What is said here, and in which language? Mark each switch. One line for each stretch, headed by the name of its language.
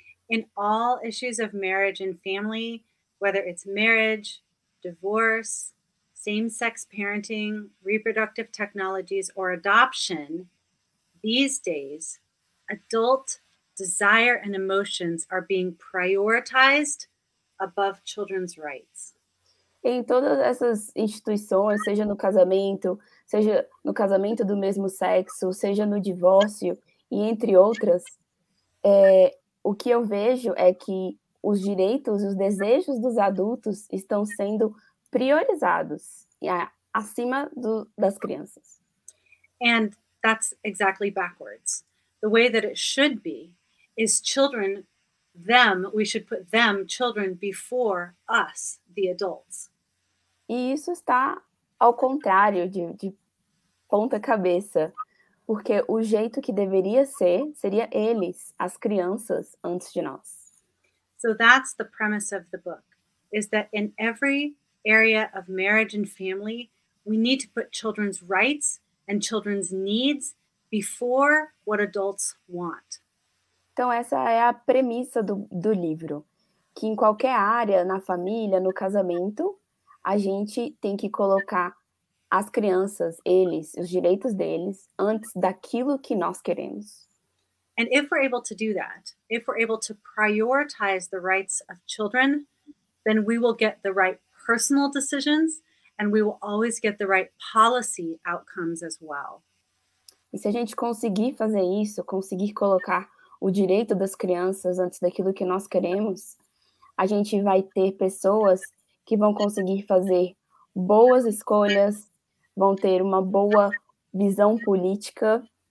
English: In all issues of marriage and family, whether it's marriage, divorce, same-sex parenting, reproductive technologies, or adoption, these days, adult desire and emotions are being prioritized above children's rights.
Portuguese: Em todas essas instituições, seja no casamento, seja no casamento do mesmo sexo, seja no divórcio, e entre outras, o que eu vejo é que os direitos, os desejos dos adultos estão sendo priorizados acima das crianças.
English: And that's exactly backwards. The way that it should be is children, we should put them, children, before us, the adults.
Portuguese: E isso está ao contrário, de ponta cabeça, porque o jeito que deveria ser, seria eles, as crianças, antes de nós.
English: So that's the premise of the book, is that in every area of marriage and family, we need to put children's rights and children's needs before what adults want.
Portuguese: Então essa é a premissa do livro, que em qualquer área, na família, no casamento, a gente tem que colocar as crianças, eles, os direitos deles, antes daquilo que nós queremos.
English: And if we're able to do that, if we're able to prioritize the rights of children, then we will get the right personal decisions, and we will always get the right policy outcomes as well.
Portuguese: E se a gente conseguir fazer isso, conseguir colocar o direito das crianças antes daquilo que nós queremos, a gente vai ter pessoas que vão conseguir fazer boas escolhas, vão ter uma boa visão política.